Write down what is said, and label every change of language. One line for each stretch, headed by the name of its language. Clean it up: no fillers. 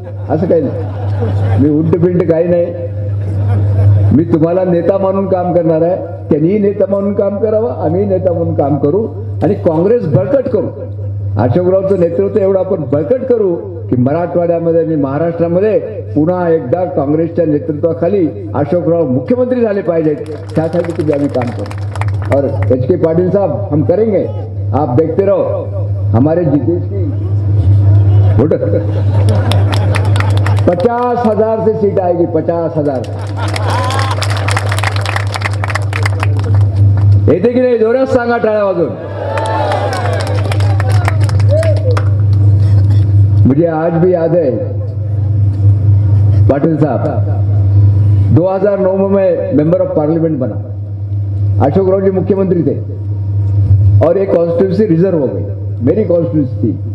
Marathi: असं काही नाही, मी उंट पिंट काही नाही. मी तुम्हाला नेता म्हणून काम करणार आहे, त्यांनीही नेता म्हणून काम करावं, आम्हीही नेता म्हणून काम करू आणि काँग्रेस बळकट करू. अशोकरावचं नेतृत्व एवढं आपण बळकट करू की मराठवाड्यामध्ये आणि महाराष्ट्रामध्ये पुन्हा एकदा काँग्रेसच्या नेतृत्वाखाली अशोकराव मुख्यमंत्री झाले पाहिजेत. त्यासाठी तुम्ही आम्ही काम करू
Hindi: और एच के पाटील साहब हम करेंगे, आप देखते रहो हमारे जितेश की वोट 50,000 से सीट आएगी.
Marathi: 50,000 येते की नाही जोरात सांगा टाळ्या वाजून.
Hindi: मुझे आज भी याद है पाटील साहब, 2009 में मेंबर ऑफ पार्लियामेंट बना, अशोकराव जी मुख्यमंत्री थे और एक कॉन्स्टिट्यूंसी रिजर्व हो गई, मेरी कॉन्स्टिट्यूंसी थी.